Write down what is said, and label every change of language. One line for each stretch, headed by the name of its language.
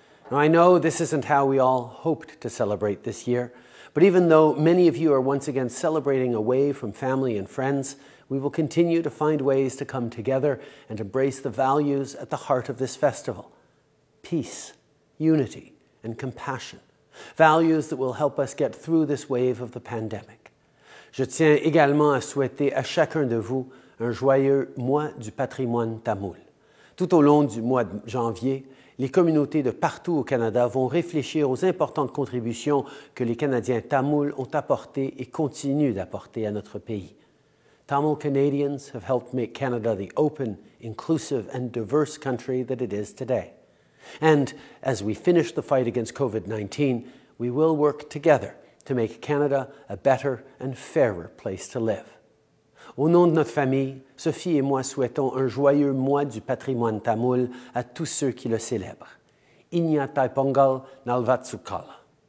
English: Now, I know this isn't how we all hoped to celebrate this year, but even though many of you are once again celebrating away from family and friends, we will continue to find ways to come together and embrace the values at the heart of this festival. Peace, unity, and compassion. Values that will help us get through this wave of the pandemic.
French: Je tiens également à souhaiter à chacun de vous un joyeux mois du patrimoine tamoul. Tout au long du mois de janvier, les communautés de partout au Canada vont réfléchir aux importantes contributions que les Canadiens tamouls ont apportées et continuent d'apporter à notre pays.
English: Tamil Canadians have helped make Canada the open, inclusive, and diverse country that it is today. And as we finish the fight against COVID-19, we will work together to make Canada a better and fairer place to live.
French: Au nom de notre famille, Sophie et moi souhaitons un joyeux mois du patrimoine tamoul à tous ceux qui le célèbrent.
Tamil: Iniya Pongal, Nalvazhthukkal.